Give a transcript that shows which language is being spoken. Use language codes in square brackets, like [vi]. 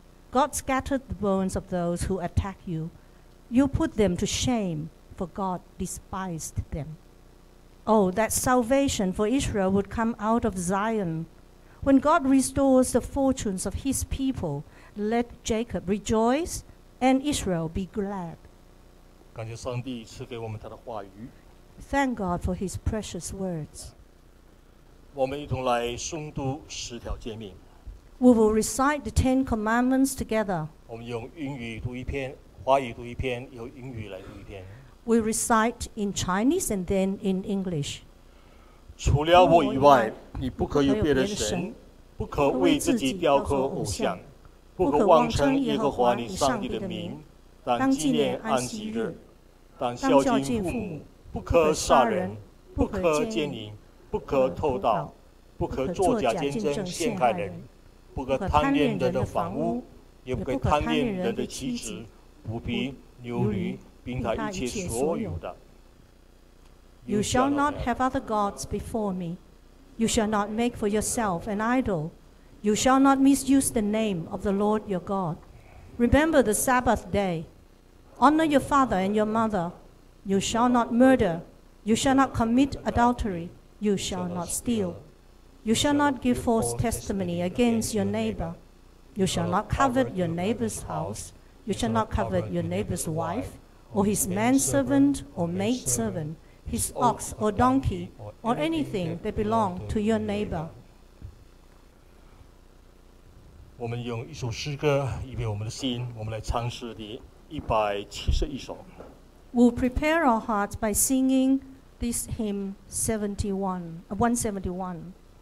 [en] God scattered the bones of those who attack you. You put them to shame, for God despised them. Oh, that salvation for Israel would come out of Zion. When God restores the fortunes of his people, let Jacob rejoice and Israel be glad. [zh] 感谢上帝赐给我们他的话语。 [en] Thank God for his precious words. [zh] 我们一同来诵读十条诫命。 [en] We will recite the Ten Commandments together. [zh] 我们用英语读一篇，华语读一篇，由英语来读一篇。 [en] We recite in Chinese and then in English. [zh] 除了我以外，你不可有别的神，不可为自己雕刻偶像，不可妄称耶和华你上帝的名，当纪念安息日，当孝敬父母，不可杀人，不可奸淫，不可偷盗，不可作假见证陷害人，不可贪恋人的房屋，也不可贪恋人的妻子、仆婢、牛驴，并他一切所有的。 [en] You shall not have other gods before me. You shall not make for yourself an idol. You shall not misuse the name of the Lord your God. Remember the Sabbath day. Honor your father and your mother. You shall not murder. You shall not commit adultery. You shall not steal. You shall not give false testimony against your neighbor. You shall not covet your neighbor's house. You shall not covet your neighbor's wife, or his manservant or maidservant, his ox or donkey, or anything that belong to your neighbor. [zh] 我们用一首诗歌预备我们的心，我们来唱诗第171首。 [en] We'll prepare our hearts by singing this hymn 171.